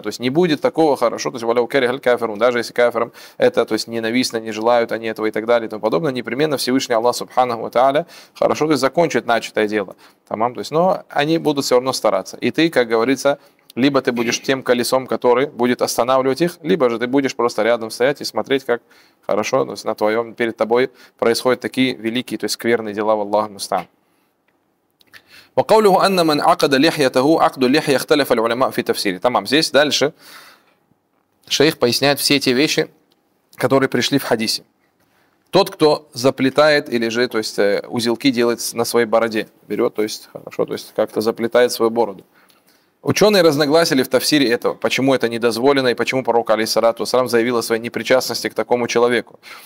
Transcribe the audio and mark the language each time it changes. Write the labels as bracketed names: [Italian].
[Russian] То есть не будет такого, хорошо, то есть [Arabic] валяу керихаль каферун, [Russian] даже если каферам это, то есть ненавистно, не желают они этого и так далее и тому подобное, непременно Всевышний Аллах, субханаллах, ва-та-аля, хорошо, то есть закончит начатое дело. Тамам, то есть, но они будут все равно стараться. И ты, как говорится, либо ты будешь тем колесом, который будет останавливать их, либо же ты будешь просто рядом стоять и смотреть, как хорошо, то есть на твоем, перед тобой происходят такие великие, то есть скверные дела в Аллаху мустаан. [Arabic] وقوله أن من عقد لحيته عقد لحية اختلف العلماء في تفسيره. [Russian] Тамам, здесь дальше шейх поясняет все те вещи, которые пришли в хадисе. Тот, кто заплетает или же, то есть, узелки делает на своей бороде, берет, то есть, хорошо, то есть, как-то заплетает свою бороду. Ученые разногласили в тафсире этого, почему это недозволено и почему пророк, алейхиссалату вассалям, заявил о своей непричастности к такому человеку.